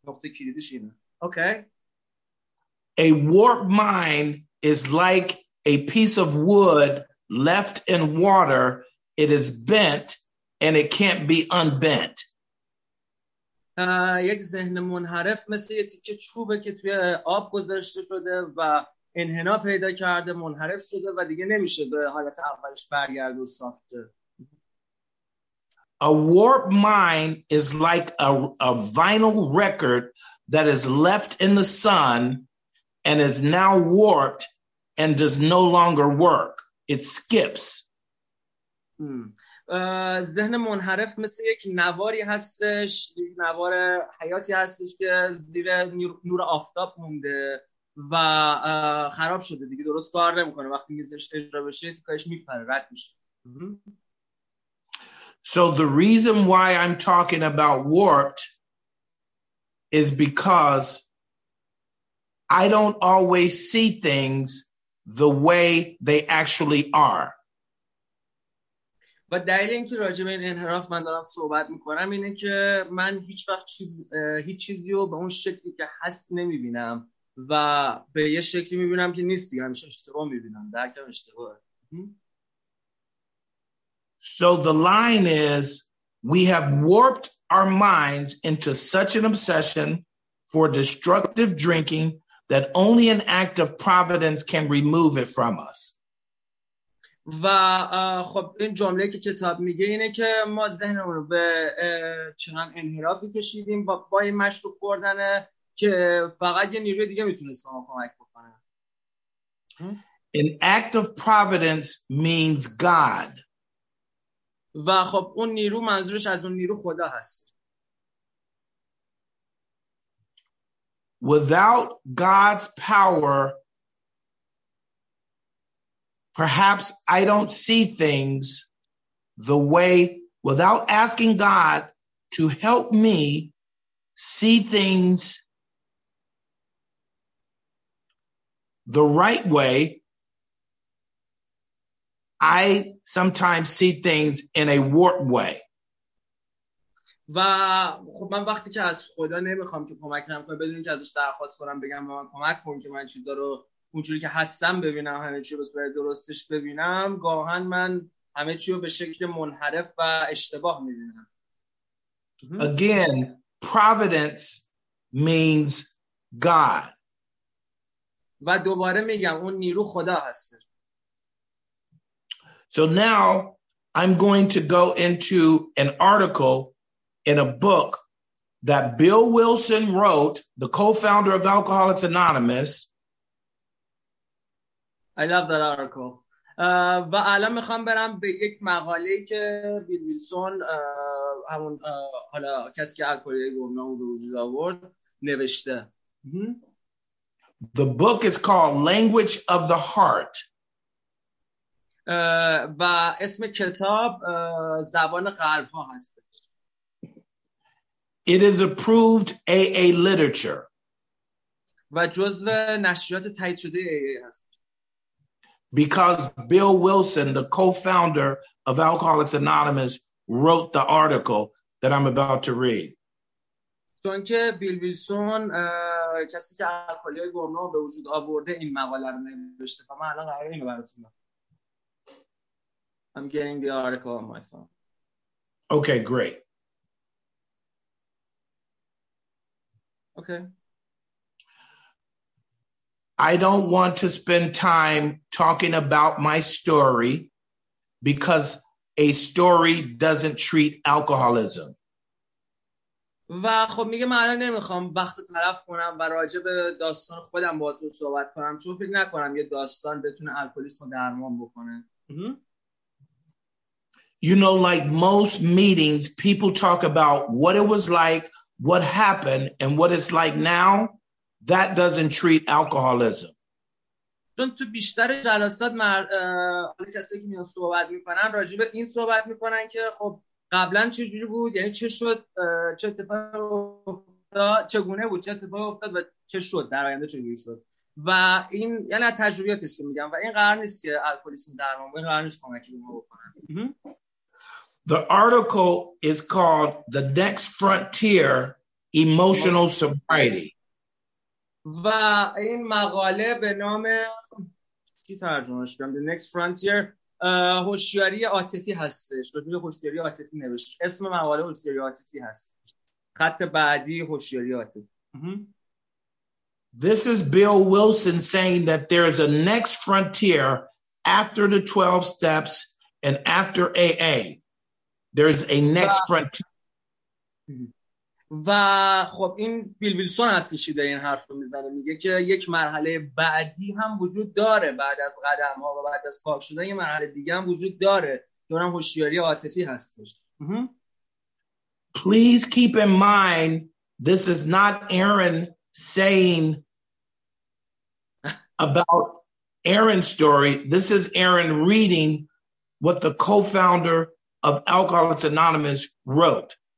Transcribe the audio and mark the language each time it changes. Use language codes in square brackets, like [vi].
[fa] نقطه کلیدیش اینه. اوکی. [en] A warped mind is like a piece of wood left in water It is bent and it can't be unbent. [fa] یک ذهن منحرف مثل یه تیکه چوبه که توی آب گذاشته شده و انحنا پیدا کرده، منحرف شده و دیگه نمیشه به حالت اولش برگرده و صاف شه. [en] A warped mind is like a vinyl record that is left in the sun and is now warped and does no longer work. It skips. [fa] ذهن منحرف مثل یک نواری هستش، نوار حیاتی هستش که زیر نور آفتاب مونده و خراب شده، دیگه درست کار نمیکنه. وقتی میزش اجرا بشه تیکاش میپره، رد میشه. [en] So the reason why I'm talking about warped is because I don't always see things the way they actually are. [fa] و دلیل اینکه راجع به این انحراف من دارم صحبت میکنم اینه که من هیچ وقت هیچ چیزی رو به اون شکلی که هست نمیبینم و به یه شکلی میبینم که نیست دیگه، همیشه اشتباه میبینم، درکم اشتباهه. [en] So the line is, we have warped our minds into such an obsession for destructive drinking that only an act of providence can remove it from us. [fa] و خب این جمله که کتاب میگه اینه که ما ذهنمون رو به چنان انحرافی کشیدیم با این مشروب خوردن که فقط یه نیروی دیگه میتونست به ما کمک بکنه. [en] An act of providence means God. [fa] و خب اون نیرو منظورش از اون نیرو خدا هست. [en] Without God's power, perhaps I don't see things the way, without asking God to help me see things the right way, I sometimes see things in a warped way. [fa] و خب من وقتی که از خدا نمیخوام که کمک کنم، بدون اینکه ازش درخواست کنم بگم به من کمک کن که من چیزا رو اونجوری که هستم ببینم، همه چی رو به صورت درستش ببینم، گاهن من همه چی رو به شکل منحرف و اشتباه میبینم. [en] Again, providence means God. [fa] و دوباره میگم اون نیرو خدا هست. [en] So now I'm going to go into an article in a book that Bill Wilson wrote, the co-founder of Alcoholics Anonymous. I love that article. [fa] و الان میخوام برم به یک مقاله که بیل ویلسون، همون حالا کسی که الکلیگومنا اون رو وجود آورد، نوشته. [en] The book is called Language of the Heart. [fa] و اسم کتاب زبان قلب ها هست. [en] It is approved AA literature. [fa] و جزو نشریات تایید شده AA هست. [en] Because Bill Wilson, the co-founder of Alcoholics Anonymous, wrote the article that I'm about to read. [fa] چون که بیل ویلسون کسی که الکلی گرنو به وجود آورده این مقاله رو نوشته، و من الان قراره اینو براتون بخونم. [en] I'm getting the article on my phone. Okay, great. Okay. I don't want to spend time talking about my story because a story doesn't treat alcoholism. [fa] و خب میگه من الان نمیخوام وقت تلف کنم و راجع به داستان خودم باهاتون صحبت کنم، چون فکر نکنم یه داستان بتونه الکلیسم رو درمان بکنه. [en] You know, like most meetings, people talk about what it was like, what happened, and what it's like now. That doesn't treat alcoholism. [fa] چون تو بیشتر جلسات مردم کسی که میان صحبت میکنن راجع به این صحبت میکنن که خب قبلا چه جوری بود، یعنی چه شد، چه اتفاق افتاد، چگونه بود، چه اتفاق افتاد و چه شد، در آینده چه جوری شد. و این یعنی تجربیاتش رو میگم و این قرار نیست که الکلیسم درمان بکنه، قرار نیست کمکی به ما بکنه. [en] The article is called The Next Frontier, Emotional Sobriety. [fa] و این مقاله به نام چی ترجمه شده؟ The Next Frontier, هوشیاری عاطفی هستش. رتبه هوشیاری عاطفی نوشت. اسم مقاله هوشیاری عاطفی هست. خط بعدی هوشیاری عاطفی. [en] This is Bill Wilson saying that there is a next frontier after the 12 steps and after AA. There's a next frontier. [fa] و خب این بیل ویلسون هستش که این حرف رو میزنه، میگه که یک مرحله بعدی هم وجود داره بعد از قدم ها و بعد از پاک شدن، یک مرحله دیگه هم وجود داره که اونم هوشیاری عاطفی هستش. [en] Please keep in mind this is not Aaron saying about Aaron's story. This is Aaron reading what the co-founder of Alcoholics Anonymous wrote.